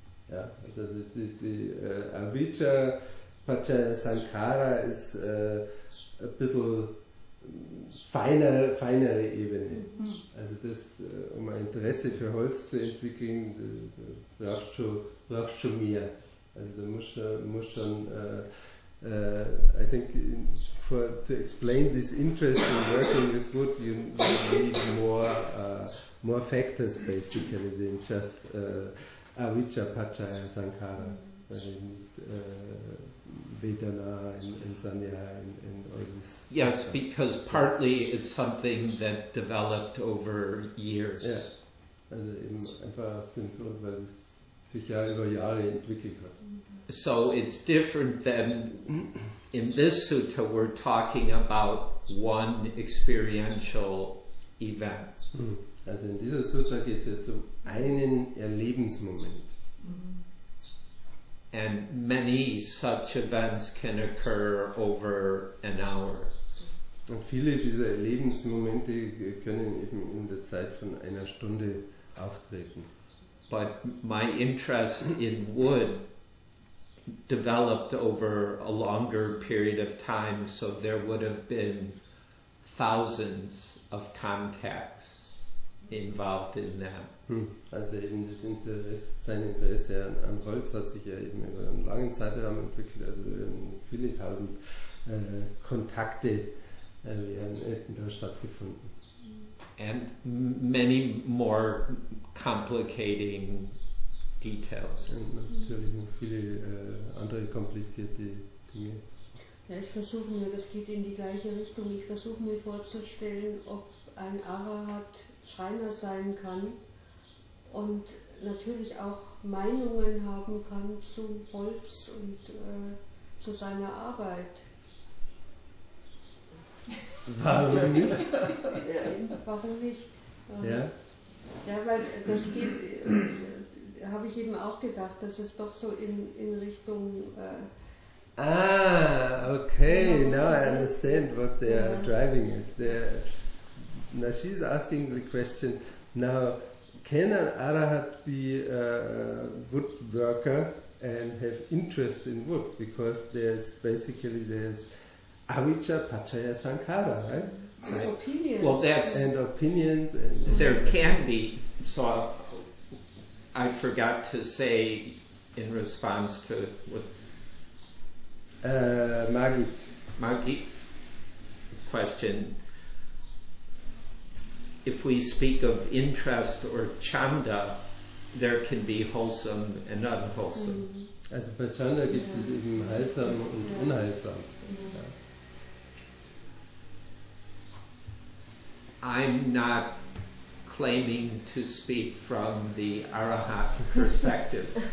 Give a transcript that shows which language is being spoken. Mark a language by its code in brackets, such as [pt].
[de] Ja, also die Avijja Paccaya Sankhara ist ein bisschen feinere Ebene. Also das, um ein Interesse für Holz zu entwickeln, brauchst du mehr. Also da musst schon, [en] I think, to explain this interest in working with wood, you need more factors basically than just avijja paccaya sankhara. Vedana and sanya and all this. Yes, stuff. Because partly it's something that developed over years. [de] Ja, also eben einfach aus dem Grund, weil es sich ja über Jahre entwickelt hat. [en] So it's different than in this sutta we're talking about one experiential event. [de] Also in dieser Sutta geht es jetzt um einen Erlebensmoment. [en] And many such events can occur over an hour. [de] Und viele dieser Erlebensmomente können eben in der Zeit von einer Stunde auftreten. [en] But my interest in wood developed over a longer period of time, so there would have been thousands of contacts involved in that. [de] Also eben das Interesse, sein Interesse an Holz hat sich ja eben über einen langen Zeitraum entwickelt, also viele tausend Kontakte hätten da stattgefunden. [en] And many more complicating details. [de] Und natürlich noch viele andere komplizierte Dinge. Ja, ich versuche mir, das geht in die gleiche Richtung, ich versuche mir vorzustellen, ob ein Arahat Schreiner sein kann und natürlich auch Meinungen haben kann zu Holz und zu seiner Arbeit. Warum nicht? Warum nicht? Ja. Ja, weil das geht, habe ich eben auch gedacht, dass es doch so in Richtung... [en] okay, now I understand what they are driving at. Now she's asking the question, now can an Arahat be a woodworker and have interest in wood? Because there's avijja, paccaya, sankhara, right? Opinions. Well, that's, and opinions. And there can be. So I forgot to say in response to what... Margit's question. If we speak of interest or chanda, there can be wholesome and unwholesome. Mm-hmm. [de] Also bei chanda gibt es eben heilsam und unheilsam. [en] I'm not claiming to speak from the arahat perspective.